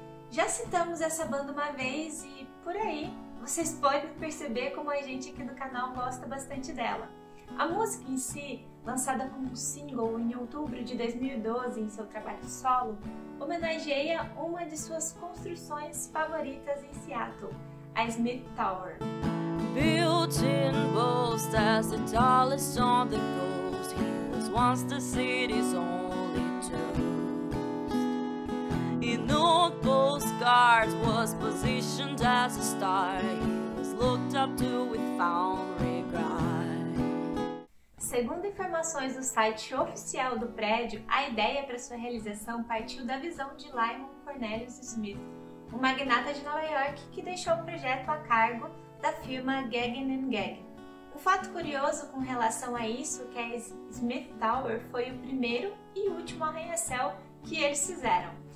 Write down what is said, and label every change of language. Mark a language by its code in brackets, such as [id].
[pt] Já citamos essa banda uma vez e, por aí, vocês podem perceber como a gente aqui no canal gosta bastante dela. A música em si, lançada como single em outubro de 2012 em seu trabalho solo, homenageia uma de suas construções favoritas em Seattle, a Smith Tower. [en] Built in boast as the tallest on the coast, he was once the city's only toast. In old postcards was positioned as a star, he was looked up to with fond regard. [pt] Segundo informações do site oficial do prédio, a ideia para sua realização partiu da visão de Lyman Cornelius Smith, um magnata de Nova York que deixou o projeto a cargo da firma Gagin & Gagin. Um fato curioso com relação a isso é que a Smith Tower foi o primeiro e último arranha-céu que eles fizeram.